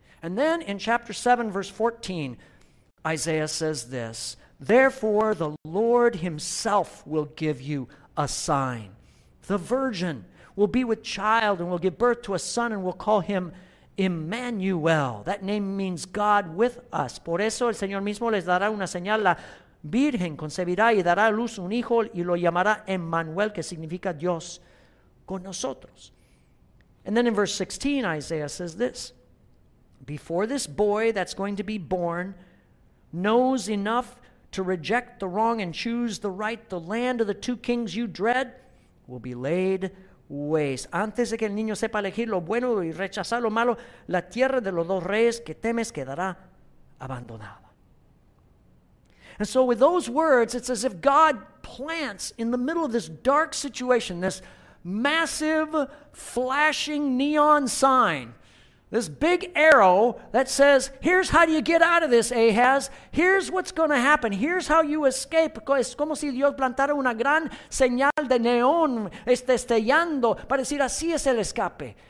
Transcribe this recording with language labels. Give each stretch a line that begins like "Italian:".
English: And then in chapter 7, verse 14, Isaiah says this, therefore, the Lord himself will give you a sign. The virgin will be with child and will give birth to a son and will call him Emmanuel. That name means God with us.
Spanish: Por eso el Señor mismo les dará una señal. La Virgen concebirá y dará a luz un hijo y lo llamará Emmanuel, que significa Dios con nosotros.
English: And then in verse 16, Isaiah says this. Before this boy that's going to be born knows enough to reject the wrong and choose the right, the land of the two kings you dread will be laid waste.
Spanish: Antes de que el niño sepa elegir lo bueno y rechazar lo malo, la tierra de los dos reyes que temes quedará abandonada.
English: And so with those words, it's as if God plants in the middle of this dark situation, this massive flashing neon sign, this big arrow that says, here's how you get out of this, Ahaz. Here's what's going to happen. Here's how you escape.
Spanish: Es como si Dios plantara una gran señal de neón estallando para decir, así es el escape.